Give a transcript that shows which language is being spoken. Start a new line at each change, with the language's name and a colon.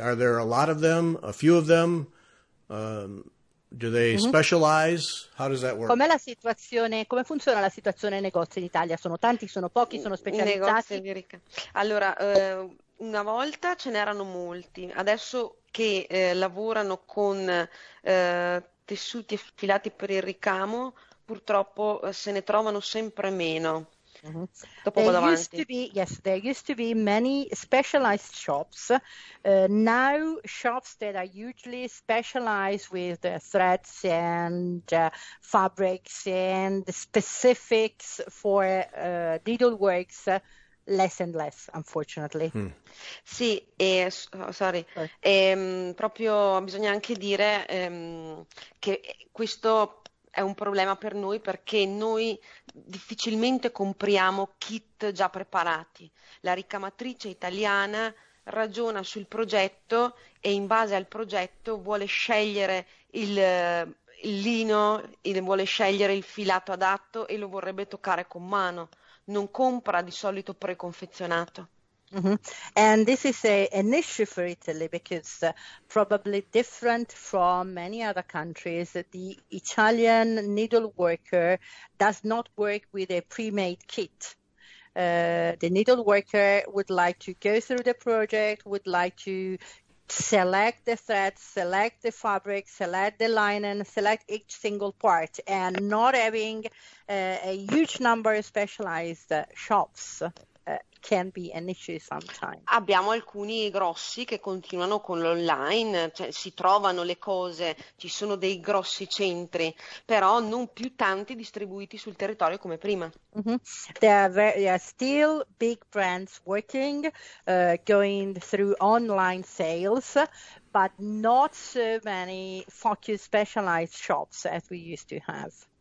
English: Are there a lot of them, a few of them? Do they specialize? How does that work?
Italian: Come funziona la situazione nei negozi in Italia? Sono tanti, sono pochi, sono I negozi specializzati? americani. Allora, una volta ce n'erano molti, adesso che lavorano con tessuti affilati per il ricamo, purtroppo se ne trovano sempre meno. Dopo vado avanti.
English: There used to be many specialized shops. Now shops that are usually specialized with threads and fabrics and specifics for needleworks, less and less, unfortunately.
Italian: Sì, sorry, proprio bisogna anche dire che questo è un problema per noi perché noi difficilmente compriamo kit già preparati. La ricamatrice italiana ragiona sul progetto e in base al progetto vuole scegliere il lino, vuole scegliere il filato adatto e lo vorrebbe toccare con mano. Non compra di solito preconfezionato.
English: And this is an issue for Italy because probably different from many other countries, the Italian needle worker does not work with a pre-made kit. The needle worker would like to go through the project, would like to select the threads, select the fabric, select the linen, select each single part, and not having a huge number of specialized shops. Can be an issue sometimes.
Italian: Abbiamo alcuni grossi che continuano con l'online, cioè si trovano le cose, ci sono dei grossi centri, però non più tanti distribuiti sul territorio come prima.
English: There are still big brands working, going through online sales, but not so many focused specialized shops as we used to have.